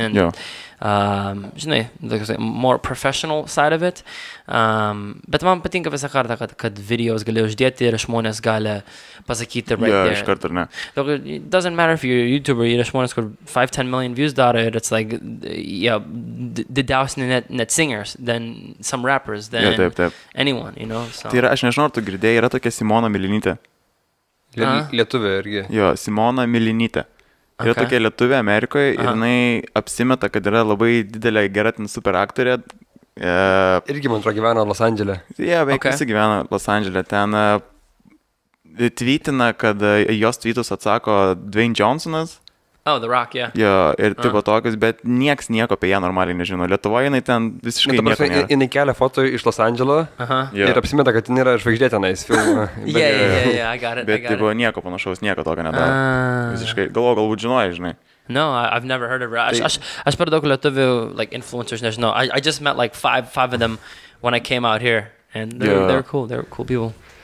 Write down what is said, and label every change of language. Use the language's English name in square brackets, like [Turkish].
[English] And, [Lithuanian] žinai, [English] like, more professional side of it. [Lithuanian] Bet man patinka visą kartą, kad videos gali uždėti ir žmonės gali pasakyti [English] right there. [Lithuanian] Iš karto, ne. [English] It doesn't matter if you're a YouTuber, [Lithuanian] yra žmonės, kur [English] 5-10 million views [Lithuanian] daro, ir [English] it's like, [Lithuanian] didiausia net [English] singers, then some rappers, then anyone, you know. So. [Lithuanian] Tai yra, aš nežinau, ar tu girdėjai, yra tokia Simona Milinytė. Lietuvė irgi. Jo, Simona Milinytė. Yra tokia lietuvė Amerikoje, ir jinai apsimeta, kad yra labai didelė, gera ten super aktorė. Irgi, man atrodo, gyvena Los Andželė. Visi gyvena Los Andželė. Ten tweetina, kad jos tweetus atsako Dwayne Johnsonas. [English] Oh, The Rock, yeah. [Lithuanian] Jo, ir taip tokius, bet nieks nieko apie ją normaliai nežino. Lietuvoje jinai ten visiškai nieko nėra. Jinai kelia foto iš Los Andželo ir apsimeta, kad jinai yra žvaigždė tenais filmą. [English] Yeah, I got it. [Lithuanian] Bet taip buvo nieko panašaus, nieko tokio nedaro. Visiškai, galbūt žinoja, žinai. [English] No, I've never heard of her. [Lithuanian] Aš per daug lietuvių, like, influencers nežinau. [English] I just met, like, five of them when I came out here. And they're cool people.